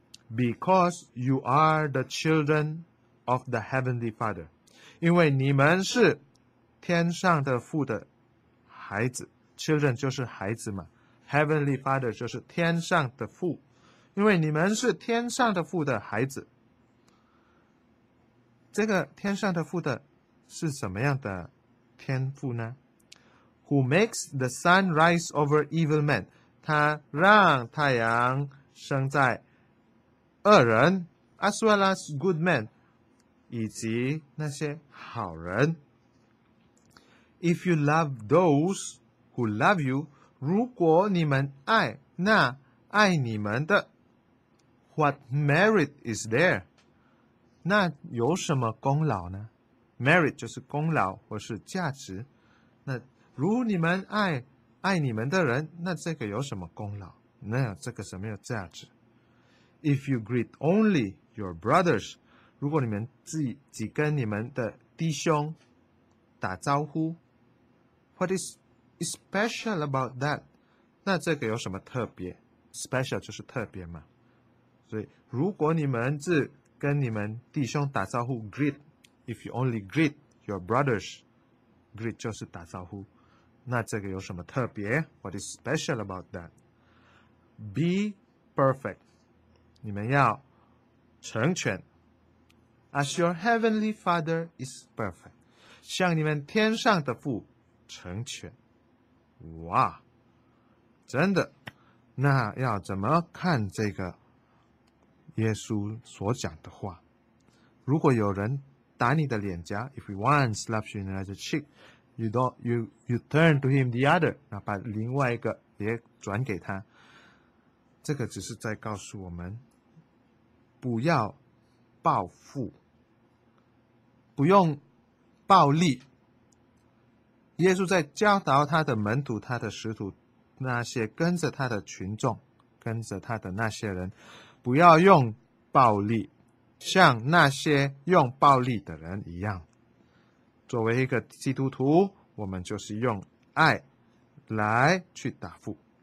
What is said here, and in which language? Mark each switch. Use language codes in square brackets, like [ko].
[en] Because you are the children of the heavenly Father， [zh] 因为你们是天上的父的孩子 ，children 就是孩子嘛 ，heavenly Father 就是天上的父，因为你们是天上的父的孩子。这个天上的父的是什么样的天父呢 ？ [en] Who makes the sun rise over evil men？ [zh] 他让太阳生在恶人 ， [en] as well as good men， [zh] 以及那些好人。 [en] If you love those who love you， [zh] 如果你们爱那爱你们的 [en] ，What merit is there？ [zh] 那有什么功劳呢？ Merit 就是功劳或是价值。那如你们爱爱你们的人，那这个有什么功劳？那这个什么有价值？ [en] If you greet only your brothers， [zh] 如果你们只跟你们的弟兄打招呼。 [en] What is special about that? [zh] 那这个有什么特别？ Special 就是特别嘛。所以如果你们只跟你们弟兄打招呼 greet, [en] if you only greet your brothers, [zh] greet 就是打招呼。那这个有什么特别？ [en] What is special about that? Be perfect. [zh] 你们要成全。 [en] As your heavenly father is perfect. [zh] 像你们天上的父成全，哇，真的，那要怎么看这个耶稣所讲的话？如果有人打你的脸颊 [en] ，if one slaps you on the cheek, you turn to him the other， [zh] 那把另外一个也转给他。这个只是在告诉我们，不要报复，不用暴力。耶稣在教导他的门徒他的使徒那些跟着他的群众跟着他的那些人不要用暴力像那些用暴力的人一样作为一个基督徒我们就是用爱来去答复